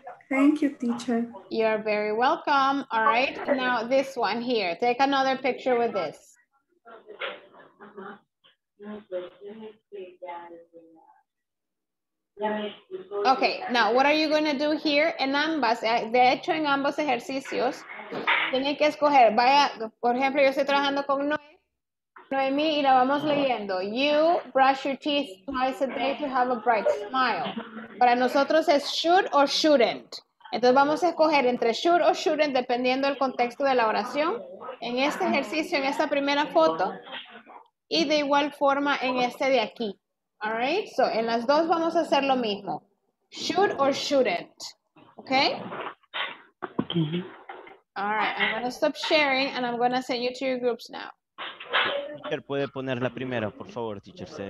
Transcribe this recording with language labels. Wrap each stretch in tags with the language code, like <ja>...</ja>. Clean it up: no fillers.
<en>Thank you, teacher. You're very welcome. All right, now this one here. Take another picture with this. Okay, now what are you going to do here?</en> <es>En ambas, de hecho, en ambos ejercicios, tiene que escoger. Vaya, por ejemplo, yo estoy trabajando con Noemi y la vamos leyendo.</es> <en>You brush your teeth twice a day to have a bright smile.</en> <es>Para nosotros es should or shouldn't. Entonces vamos a escoger entre should or shouldn't dependiendo del contexto de la oración. En este ejercicio, en esta primera foto. Y de igual forma en este de aquí.</es> <en>All right? So</en> <es>en las dos vamos a hacer lo mismo.</es> <en>Should or shouldn't. Okay? All right. I'm going to stop sharing and I'm going to send you to your groups now.</en> <es>Teacher, puede poner la primera, por favor, teacher.</es>